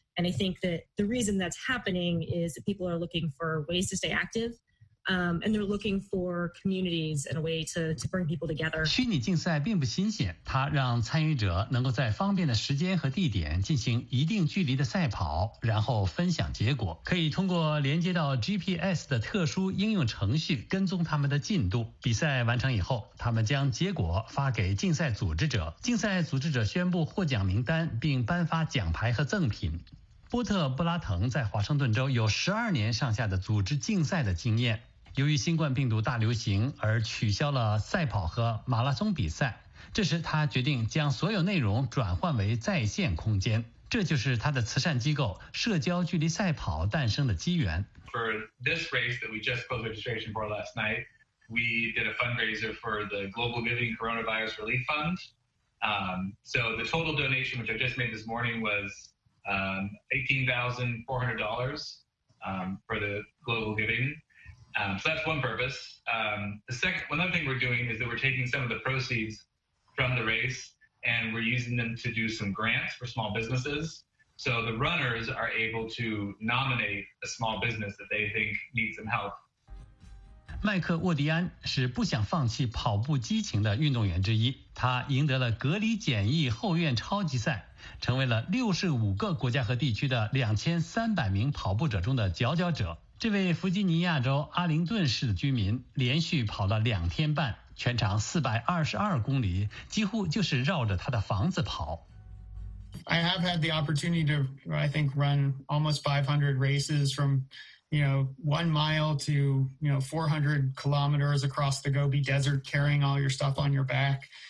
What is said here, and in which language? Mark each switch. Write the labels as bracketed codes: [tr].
[en] And I think that the reason that's happening is that people are looking for ways to stay active, and they're looking for communities and a way to bring people together. [zh] 虚拟竞赛并不新鲜，它让参与者能够在方便的时间和地点进行一定距离的赛跑，然后分享结果，可以通过连接到 GPS 的特殊应用程序跟踪他们的进度。比赛完成以后，他们将结果发给竞赛组织者，竞赛组织者宣布获奖名单并颁发奖牌和赠品。波特·布拉滕在华盛顿州有12年上下的组织竞赛的经验。由于新冠病毒大流行而取消了赛跑和马拉松比赛，这时他决定将所有内容转换为在线空间。这就是他的慈善机构社交距离赛跑诞生的机缘。 [en] For this race that we just closed registration for last night, we did a fundraiser for the Global Giving Coronavirus Relief Fund. So the total donation, which I just made this morning, was $18,400 for the Global Giving. So that's one purpose. Another thing we're doing is that we're taking some of the proceeds from the race and we're using them to do some grants for small businesses. So the runners are able to nominate a small business that they think needs some help. [zh] 麦克·沃迪安是不想放弃跑步激情的运动员之一，他赢得了隔离检疫后院超级赛，成为了65个国家和地区的2300名跑步者中的佼佼者。这位弗吉尼亚州阿灵顿市的居民连续跑了两天半，全长422公里，几乎就是绕着他的房子跑。 [en] I have had the opportunity to, I think, run almost 500 races from, you know, 1 mile to, you know, 400 kilometers across the Gobi Desert, carrying all your stuff on your back.